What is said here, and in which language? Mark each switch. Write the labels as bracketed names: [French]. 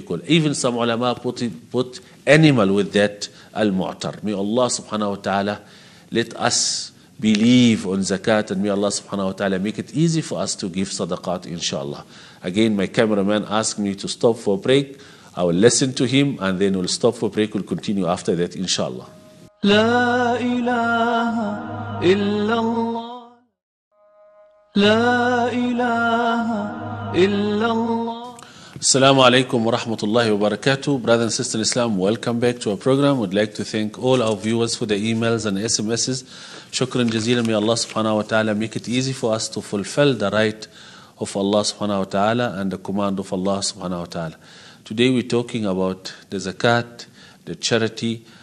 [English] Because even some ulama put animal with that al-mu'tar. May Allah subhanahu wa ta'ala let us believe on zakat, and may Allah subhanahu wa ta'ala make it easy for us to give sadaqat, inshallah. Again, my cameraman asked me to stop for a break. I will listen to him, and then we'll stop for a break. We'll continue after that, inshallah. [Arabic] لا إله إلا الله لا إله إلا الله. السلام عليكم ورحمة الله وبركاته. [English] Brother and sister in Islam, welcome back to our program. We'd like to thank all our viewers for the emails and SMSs. [Arabic] شكرا جزيلا. [English] May Allah subhanahu wa ta'ala make it easy for us to fulfill the right of Allah subhanahu wa ta'ala and the command of Allah subhanahu wa ta'ala. Today we're talking about the zakat, the charity,